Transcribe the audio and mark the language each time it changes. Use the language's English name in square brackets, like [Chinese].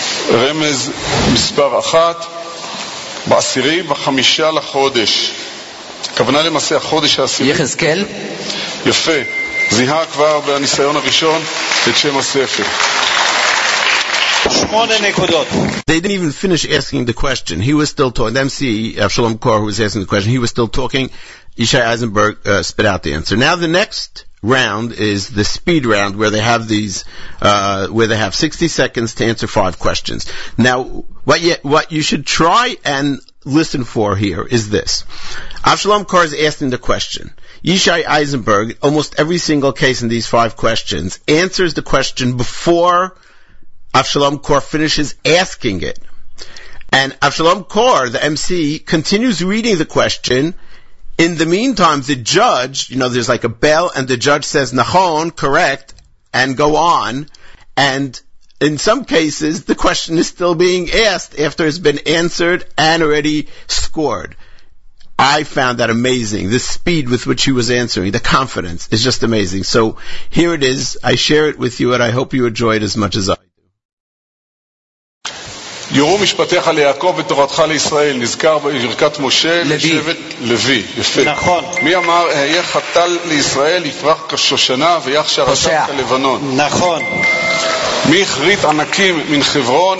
[Hebrew] רמז מספר 1, בעשירי בחמישה לחודש. כוונה למעשה החודש העשירי. יחזקאל. יפה. זיהה כבר בניסיון הראשון את שם הספר. [English] They didn't even finish asking the question. He was still talking. The MC, Avshalom Kaur, who was asking the question, he was still talking. Yishai Eisenberg spit out the answer. Now the next round is the speed round, where they have these, where they have 60 seconds to answer 5 questions. Now, what you should try and listen for here is this. Avshalom Kaur is asking the question. Yishai Eisenberg, almost every single case in these 5 questions, answers the question before Avshalom Kaur finishes asking it. And Avshalom Kaur, the MC, continues reading the question. In the meantime, the judge, you know, there's like a bell, and the judge says, Nachon, correct, and go on. And in some cases, the question is still being asked after it's been answered and already scored. I found that amazing. The speed with which he was answering, the confidence, is just amazing. So here it is. I share it with you, and I hope you enjoy it as much as I. [Hebrew] יראו משפטיך ליעקב ותורתך לישראל, נזכר בברכת משה לשבט לוי. יפה. נכון. מי אמר, היה חתל לישראל, יפרח כשושנה ויחשר עתת לבנון. נכון. מי הכרית ענקים מן חברון,